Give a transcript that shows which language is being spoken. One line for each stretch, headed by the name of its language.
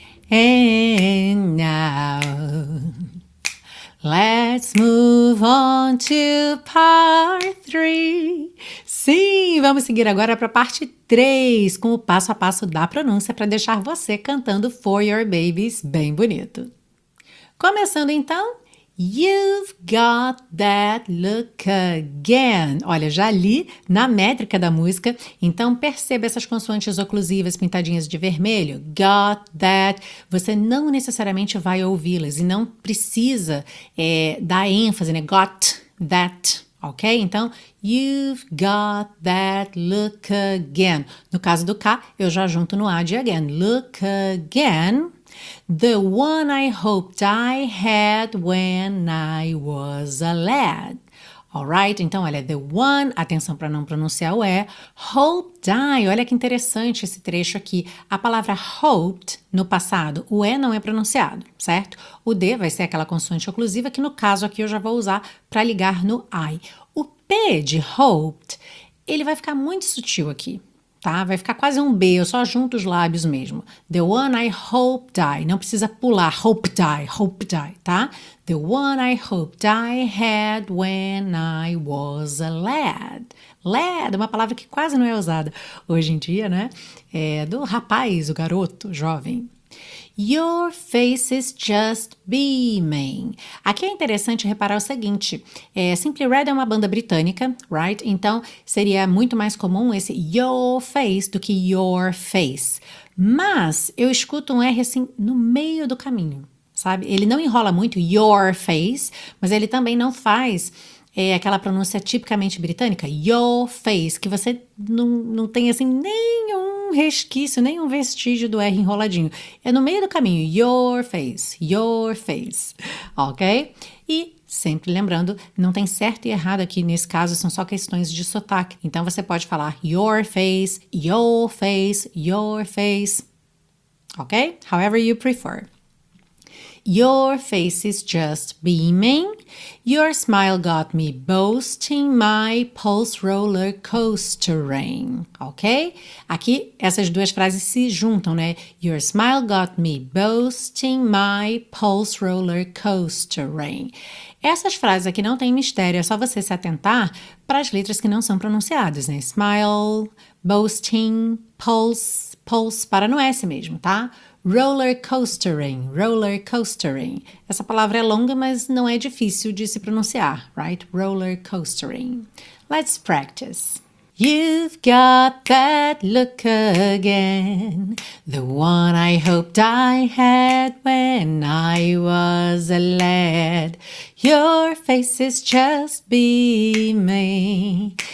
English: And now, let's move on to part 3.
Portuguese: Sim, vamos seguir agora para a parte 3, com o passo a passo da pronúncia para deixar você cantando For Your Babies bem bonito. Começando então,
English: you've got that look again.
Portuguese: Olha, já li na métrica da música, então perceba essas consoantes oclusivas pintadinhas de vermelho.
English: Got that.
Portuguese: Você não necessariamente vai ouvi-las e não precisa dar ênfase, né?
English: Got that. Ok? Então, you've got that look again.
Portuguese: No caso do K, eu já junto no A de again.
English: Look again. The one I hoped I had when I was a lad.
Portuguese: Alright, então olha,
English: the one,
Portuguese: atenção para não pronunciar o E,
English: hoped I,
Portuguese: olha que interessante esse trecho aqui. A palavra hoped, no passado, o E não é pronunciado, certo? O D vai ser aquela consoante oclusiva que no caso aqui eu já vou usar para ligar no I. O P de hoped, ele vai ficar muito sutil aqui. Tá? Vai ficar quase um B, eu só junto os lábios mesmo.
English: The one I hoped I,
Portuguese: não precisa pular,
English: hoped I,
Portuguese: tá?
English: The one I hoped I had when I was a lad.
Portuguese: Lad, uma palavra que quase não é usada hoje em dia, né? É do rapaz, o garoto, jovem.
English: Your face is just beaming.
Portuguese: Aqui é interessante reparar o seguinte. Simply Red é uma banda britânica,
English: right?
Portuguese: Então, seria muito mais comum esse your face do que your face. Mas, eu escuto um R assim no meio do caminho. sabe? Ele não enrola muito your face, mas ele também não faz aquela pronúncia tipicamente britânica, your face, que você não tem assim nenhum resquício, nenhum vestígio do R enroladinho. É no meio do caminho, your face, ok? E sempre lembrando, não tem certo e errado aqui nesse caso, são só questões de sotaque. Então você pode falar your face, your face, your face.
English: Ok? However you prefer. Your face is just beaming. Your smile got me boasting my pulse roller coastering. Ok?
Portuguese: Aqui essas duas frases se juntam, né?
English: Your smile got me boasting my pulse roller coastering.
Portuguese: Essas frases aqui não têm mistério, é só você se atentar para as letras que não são pronunciadas, né? Smile, boasting, pulse, pulse para no S mesmo, tá?
English: Roller coastering, roller coastering.
Portuguese: Essa palavra é longa, mas não é difícil de se pronunciar,
English: right? Roller coastering. Let's practice. You've got that look again, the one I hoped I had when I was a lad. Your face is just beaming.